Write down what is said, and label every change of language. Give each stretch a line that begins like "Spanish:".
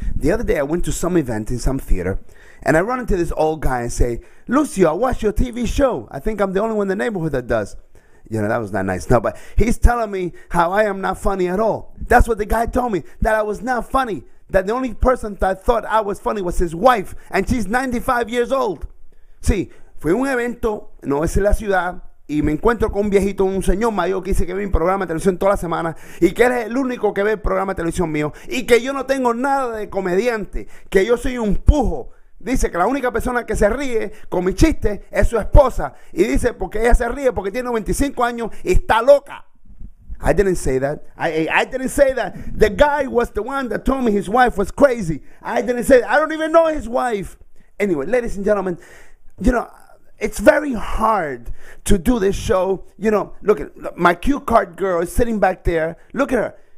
English: The other day I went to some event in some theater and I run into this old guy and say, Lucio, I watch your TV show. I think I'm the only one in the neighborhood that does. You know, that was not nice. No, but he's telling me how I am not funny at all. That's what the guy told me, that I was not funny. That the only person that thought I was funny was his wife and she's 95 years old.
Spanish: Sí, fui a un evento, no es en la ciudad, y me encuentro con un viejito, un señor mayor que dice que ve mi programa de televisión toda la semana y que él es el único que ve el programa de televisión mío y que yo no tengo nada de comediante, que yo soy un pujo. Dice que la única persona que se ríe con mi chiste es su esposa y dice porque ella se ríe porque tiene 95 años y está loca.
English: I didn't say that. I didn't say that. The guy was the one that told me his wife was crazy. I didn't say that. I don't even know his wife. Anyway, ladies and gentlemen, you know, it's very hard to do this show. You know, look, my cue card girl is sitting back there. Look at her.